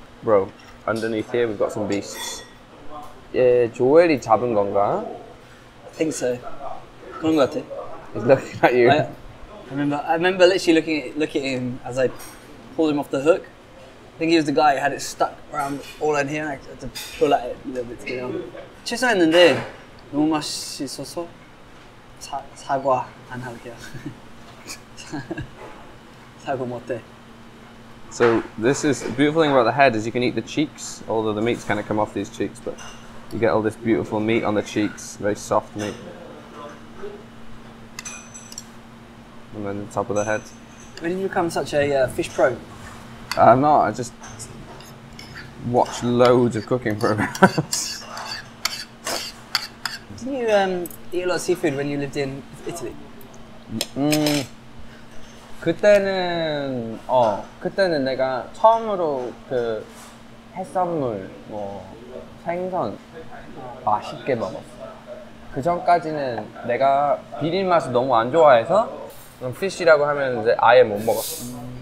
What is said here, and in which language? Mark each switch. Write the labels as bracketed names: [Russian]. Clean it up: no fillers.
[English] Bro, underneath here we've got some beasts. [Korean] 예, 조엘이 잡은 건가? [English] I think so. [Korean] 그런 것 같아. [English] He's looking at you. I remember literally looking at him as I pulled him off the hook. I think he was the guy who had it stuck around all in here. I had to pull at it a little bit to get on. [Korean] 취소했는데 너무 맛있어서 사과 안 할게요. 사과 못해. [English] So this is the beautiful thing about the head is you can eat the cheeks, although the meat's kind of come off these cheeks, but you get all this beautiful meat on the cheeks, very soft meat. And then the top of the head. When did you become such a fish pro? I'm not, I just watch loads of cooking programs. Didn't you eat a lot of seafood when you lived in Italy? [Korean] 그때는 내가 처음으로 그 해산물, 뭐 생선 맛있게 먹었어. 그 전까지는 내가 비린맛을 너무 안 좋아해서 그럼 피쉬라고 하면 이제 아예 못 먹었어.